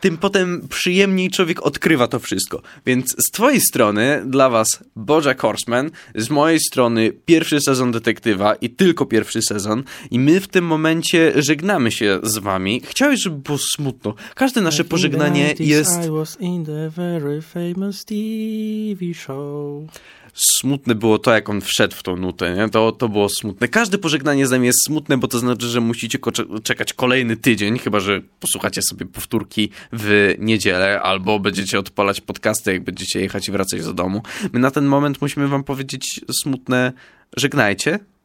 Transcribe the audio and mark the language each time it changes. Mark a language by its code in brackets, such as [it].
[pl] tym potem przyjemniej człowiek odkrywa to wszystko. Więc z twojej strony dla was Bojack Horseman, z mojej strony pierwszy sezon Detektywa i tylko pierwszy sezon i my w tym momencie żegnamy się z wami. Chciałeś, żeby było smutno. Każde nasze pożegnanie jest... [en] I was in the very famous TV show. [pl] Smutne było to, jak on wszedł w tą nutę, nie? To było smutne. Każde pożegnanie z nami jest smutne, bo to znaczy, że musicie czekać kolejny tydzień, chyba że posłuchacie sobie powtórki w niedzielę, albo będziecie odpalać podcasty, jak będziecie jechać i wracać do domu. My na ten moment musimy wam powiedzieć smutne żegnajcie.